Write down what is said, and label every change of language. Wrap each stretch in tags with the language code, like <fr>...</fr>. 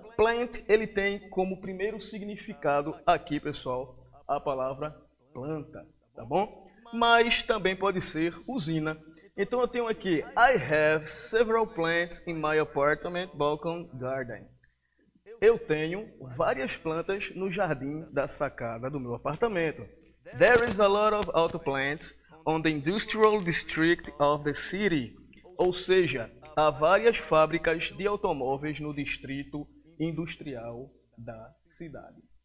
<pt>Plant, ele tem como primeiro significado aqui, pessoal, a palavra planta, tá bom? Mas também pode ser usina. Então eu tenho aqui,</pt> <en>I have several plants in my apartment balcony garden.</en> <pt>Eu tenho várias plantas no jardim da sacada do meu apartamento.</pt> <en>There is a lot of auto plants on the industrial district of the city.</en> <pt>Ou seja, há várias fábricas de automóveis no distrito industrial da cidade.</pt>